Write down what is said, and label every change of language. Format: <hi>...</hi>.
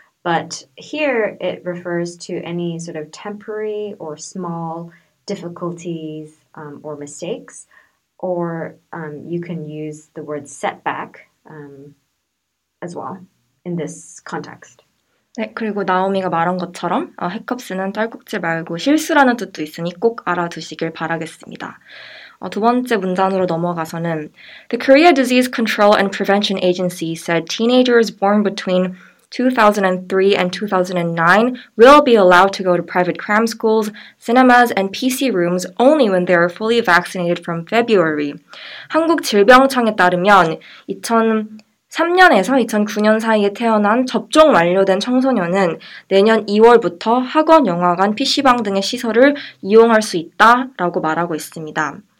<en>But here it refers to any sort of temporary or small difficulties or mistakes, or you can use the word setback as well in this context.</en> <ko>네, 그리고 나오미가 말한 것처럼 hiccups는 딸꾹질 말고 실수라는 뜻도 있으니 꼭 알아두시길 바라겠습니다. 두 번째 문단으로 넘어가서는</ko> <en>The Korea Disease Control and Prevention Agency said teenagers born between 2003 and 2009 will be allowed to go to private cram schools, cinemas, and PC rooms only when they are fully vaccinated from February.</en> <ko>한국 질병청에 따르면 2003년에서 2009년 사이에 태어난 접종 완료된 청소년은 내년 2월부터 학원, 영화관, PC방 등의 시설을 이용할 수 있다라고 말하고 있습니다.</ko>